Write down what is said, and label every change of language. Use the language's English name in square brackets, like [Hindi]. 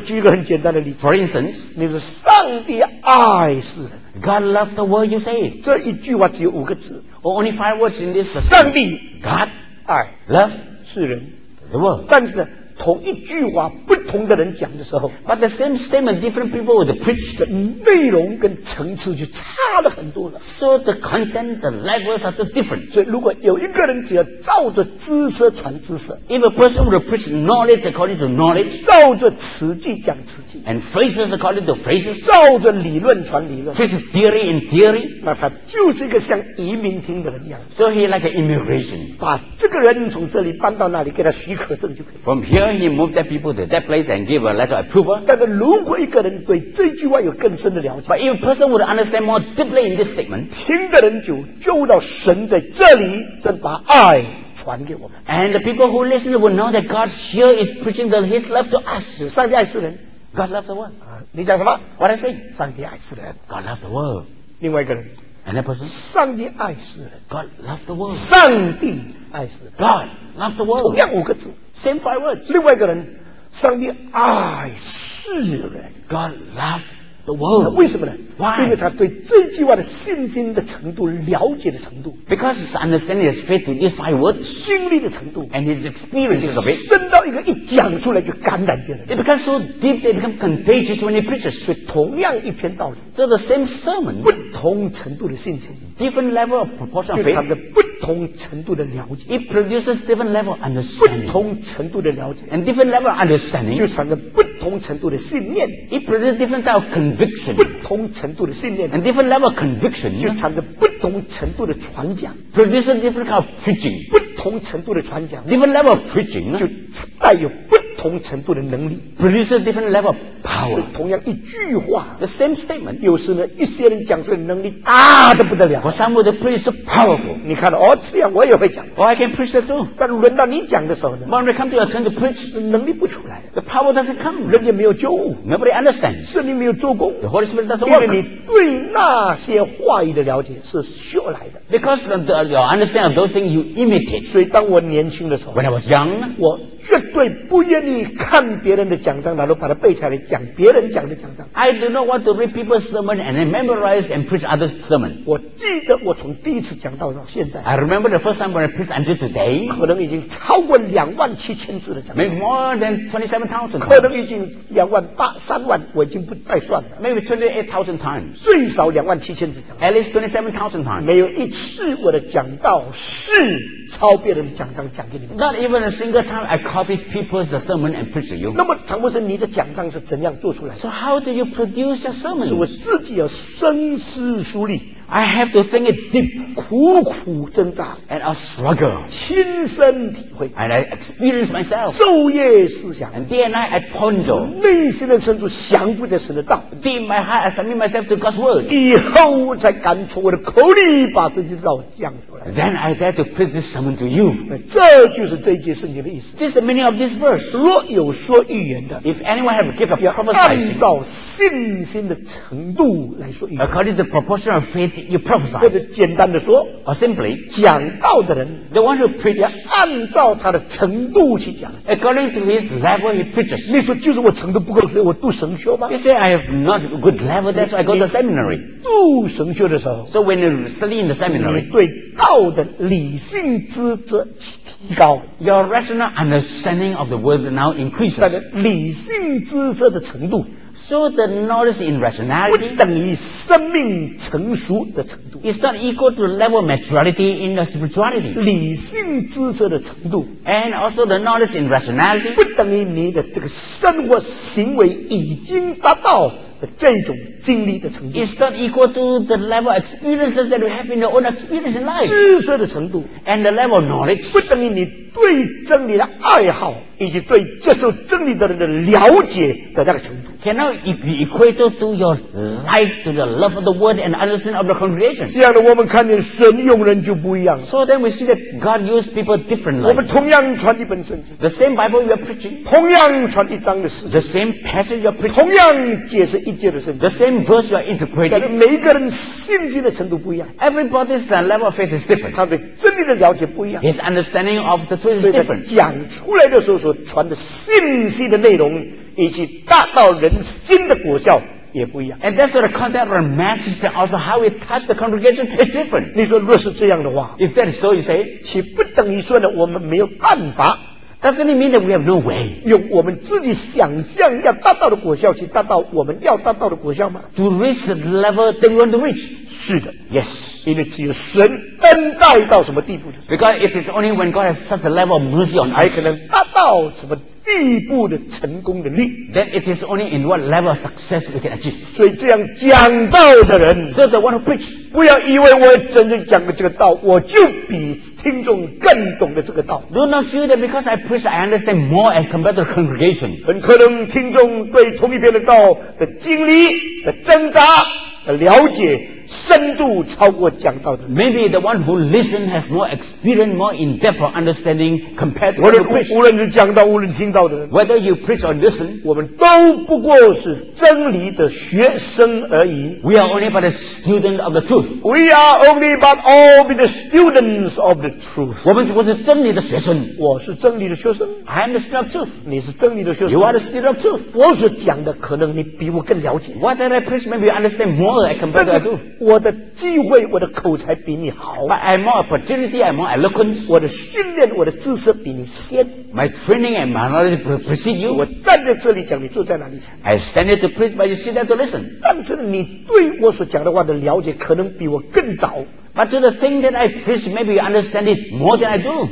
[Chinese] 我举一个很简单的例子。 [English] For instance, [Chinese] 你说上帝爱世人。 [English] God loves the world, you say. [Chinese] 这一句话只有五个字。 [English] Or only five words in this. [Chinese] 上帝 [English] ，God。 [Chinese] 爱 [English] love [Chinese] 是人 [English] the world [Chinese] 但是呢同一句话不同的人讲的时候 [English] but the same statement different people would preach [Chinese] 的内容跟层次就差了很多了 [English] so the content the levels are different [Chinese] 所以如果有一个人只要照着知识传知识 [English] if a person would preach knowledge according to knowledge [Chinese] 照着词句讲词句 [English] and phrases according to phrases [Chinese] 照着理论传理论 [English] preach theory in theory [Chinese] 那他就是一个像移民厅的人一样 [English] so he like an immigration [Chinese] 把这个人从这里搬到那里给他许可证就可以 [English] from here He moved that people to that place and gave a letter of approval. [Chinese] 但是如果一个人对这句话有更深的了解 [English] But if a person would understand more deeply in this statement, [Chinese] 听的人就到神在这里正把爱传给我们 [English] And the people who listen would know that God here is preaching the, His love to us. [Chinese] 上帝爱世人 [English] God loves the world. [Chinese] 你讲什么 [English] What I say? [Chinese] 上帝爱世人 [English] God loves the world. [Chinese] 另外一个人 [English] And that person? [Chinese] 上帝爱世人 [English] God loves the world. [Chinese] 上帝爱世人 [English] God loves the world. [Chinese] 同样五个字 [English] Same five words. [Chinese] 另外一个人，上帝爱世人。 [English] God loves the world. [Chinese] 为什么呢 [English] ？Why? [Chinese] 因为他对这句话的信心的程度、了解的程度。 [English] Because his understanding is faith in these five words. [Chinese] 经历的程度。 [English] And his experiences of it. [Chinese] 深到一个一讲出来就感染别人。 [English] It becomes so deep they become contagious when he preaches. [Chinese] 所以同样一篇道理。 [English] So the same sermon. [Chinese] 不同程度的信心。 [English] Different level of proportion of faith. [Chinese] 不同程度的了解 [English] It produces different level of understanding [Chinese] 不同程度的了解 [English] And different level of understanding [Chinese] 就产生不同程度的信念 [English] It produces different type of conviction [Chinese] 不同程度的信念 [English] And different level of conviction [Chinese] 就产生不同程度的传讲 [English] Produces different kind of preaching [Chinese] 不同程度的传讲 [English] Different level of preaching [Chinese] 就带有不同程度的能力 [English] Produces different level of power [Chinese] 同样一句话 [English] The same statement [Chinese] 有时呢一些人讲出的能力大得不得了 [English] For some of the preach so powerful [Chinese] 你看到哦这样我也会讲 [English] Oh I can preach that too [Chinese] 但轮到你讲的时候呢 [English] When we come to your turn to preach [Chinese] 能力不出来 [English] The power doesn't come [Chinese] 人家没有救 [English] Nobody understands [Chinese] 圣灵没有做工 [English] The Holy Spirit doesn't work [Chinese] 因为你对那些话语的了解是学来的 [English] Because your understanding of those things you imitate [Chinese] 所以当我年轻的时候 [English] When I was young [Chinese] 我绝对不愿意看别人的讲章然后把它背下来讲别人讲的讲章 [English] I do not want to read people's sermon and then memorize and preach other sermon [Chinese] 我记得我从第一次讲到现在 [English] I remember the first time when I preached until today [Chinese] 可能已经超过27,000字的讲章 [English] Maybe more than 27,000 [Chinese] 可能已经28,000,000我已经不再算了 [English] Maybe 28,000 times [Chinese] 最少27,000字讲 [English] At least 27,000 times [Chinese] 没有一次我的讲道是抄别人讲章讲给你们 [English] Not even a single time I copied people's sermon and preach to you [Chinese] 那么常博士你的讲章是怎样做出来的 [English] So how do you produce your sermon [Chinese] 是我自己要深思熟虑 [English] I have to think it deep. [Chinese] 苦苦挣扎 [English] And I struggle. [Chinese] 亲身体会 [English] And I experience myself. [Chinese] 昼夜思想 [English] And day and night I ponder. [Chinese] 内心的深处降服在神的道 [English] Deep my heart, I submit myself to God's word. [Chinese] 以后才敢从我的口里把这句道讲出来 [English] Then I dare to preach this sermon to you. [Chinese] 这就是这节圣经的意思 [English] This is the meaning of this verse. [Chinese] 若有说预言的 [English] If anyone have a gift of prophesying, [Chinese] 按照信心的程度来说预言 [English] According to the proportion of faith you prophesy. [Chinese] 或者简单的说 [English] Or simply, [Chinese] 讲道的人 [English] the one who preaches, [Chinese] 按照他的程度去讲 [English] according to his level he preaches. [Chinese] 你说就是我程度不够，所以我读神学吗？ [English] You say I have not a good level, that's why I go to seminary. [Chinese] 读神学的时候 [English] So when you study in the seminary, [Chinese] 你对道的理性知识提高 [English] Your rational understanding of the word now increases. [Chinese] 但是理性知识的程度 [English] So the knowledge in rationality [Chinese] 不等于生命成熟的程度 [English] It's not equal to the level of maturity in the spirituality [Chinese] 理性知识的程度 [English] And also the knowledge in rationality [Chinese] 不等于你的这个生活行为已经达到的这种经历的程度 [English] It's not equal to the level of experiences that you have in your own experience in life [Chinese] 知识的程度 [English] And the level of knowledge [Chinese] 不等于你对真理的爱好以及对接受真理的人的了解的那个程度 [English] Cannot be equated to your life to the love of the word and understanding of the congregation [Chinese] 这样的我们看见神用人就不一样 [English] So then we see that God used people differently [Chinese] 我们同样传一本圣经 [English] The same Bible you are preaching [Chinese] 同样传一章的诗经 [English] The same passage you are preaching [Chinese] 同样解释一节的圣经 [English] The same verse you are interpreting [Chinese] 但是每个人信心的程度不一样 [English] Everybody's level of faith is different [Chinese] 他对真理的了解不一样 [English] His understanding of the truth is different [Chinese] 讲出来的时候所传的信息的内容以及达到人心的果效也不一样 [English] and that's the content of our message and also how we touch the congregation is different [Chinese] 你说若是这样的话 [English] if that is so you say [Chinese] 岂不等于说呢我们没有办法 [English] doesn't it mean that we have no way [Chinese] 用我们自己想象要达到的果效去达到我们要达到的果效吗 [English] to reach the level that we want to reach [Chinese] 是的 [English] yes [Chinese] 因为只有神恩待到什么地步 [English] because it is only when God has such a level of mercy on us [Chinese] 才可能达到什么地步的成功的力 [English] then it is only in what level of success we can achieve [Chinese] 所以这样讲道的人 [English] so the one who preach [Chinese] 不要以为我真正讲的这个道我就比听众更懂的这个道 [English] do not feel that because I preach I understand more and compared to the congregation [Chinese] 很可能听众对同一篇的道的经历的挣扎的了解深度超过讲道的人 [English] Maybe the one who listen has more experience more in depth of understanding compared to the preach [Chinese] 无论是讲道无论听到的人 [English] Whether you preach or listen [Chinese] 我们都不过是真理的学生而已 [English] We are only but a student of the truth We are only but all be the students of the truth [Chinese] 我们只不过是真理的学生我是真理的学生 [English] I am the student of truth [Chinese] 你是真理的学生 [English] You are the student of truth [Chinese] 我所讲的可能你比我更了解 [English] What did I preach maybe you understand more compared to the truth [Chinese] 我的机会我的口才比你好 [English] But I have more opportunity I have more eloquence [Chinese] 我的训练我的知识比你先 [English] My training and my knowledge precede you [Chinese] 我站在这里讲你坐在哪里 [English] I stand here to preach but you sit there to listen [Chinese] 但是你对我所讲的话的了解可能比我更早 [English] But to the thing that I preach maybe you understand it more than I do